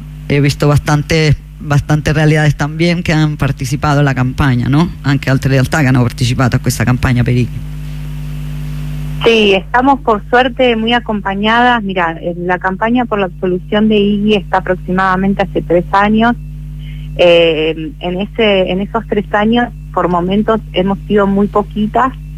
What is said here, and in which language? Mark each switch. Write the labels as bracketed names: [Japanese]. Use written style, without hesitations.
[Spanish] He visto bastante realidades también que han participado en la campaña, ¿no? [Italian] Anche altre realtà che hanno partecipato a questa campagna per Iggy. [Spanish] Sí, estamos por suerte muy acompañadas. Mira, la campaña por la absolución de Iggy está aproximadamente hace 3 años. En esos 3 años, por momentos hemos sido muy poquitas.